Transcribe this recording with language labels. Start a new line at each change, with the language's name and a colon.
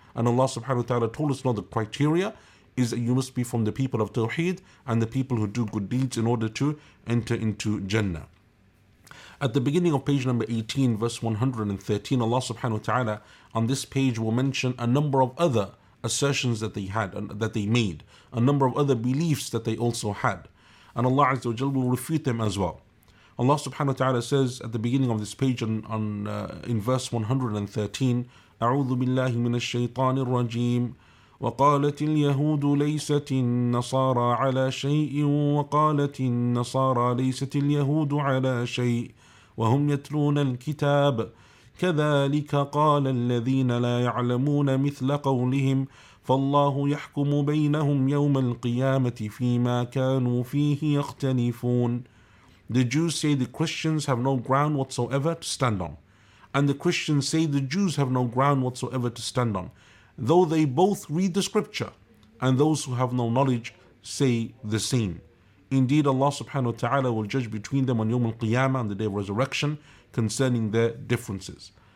English: And Allah subhanahu wa ta'ala told us, not the criteria is that you must be from the people of Tawheed and the people who do good deeds in order to enter into Jannah. At the beginning of page number 18, verse 113, Allah subhanahu wa ta'ala on this page will mention a number of other assertions that they had and that they made, a number of other beliefs that they also had. And Allah azza wa jal will refute them as well. Allah subhanahu wa ta'ala says at the beginning of this page in verse 113,
Arabic: أَعُوذُ بِاللَّهِ مِنَ الشَّيْطَانِ الرَّجِيمِ وقالت اليهود ليست النصارى على شيء وقالت النصارى ليست اليهود على شيء وهم يتلون الكتاب كذلك قال الذين لا يعلمون مثل قولهم فالله يحكم بينهم يوم القيامة فيما كانوا فيه يختلفون.
English: The Jews say the Christians have no ground whatsoever to stand on, and the Christians say the Jews have no ground whatsoever to stand on, though they both read the scripture, and those who have no knowledge say the same. Indeed, Allah subhanahu wa ta'ala will judge between them on Yawm al-Qiyamah, on the day of resurrection, concerning their differences.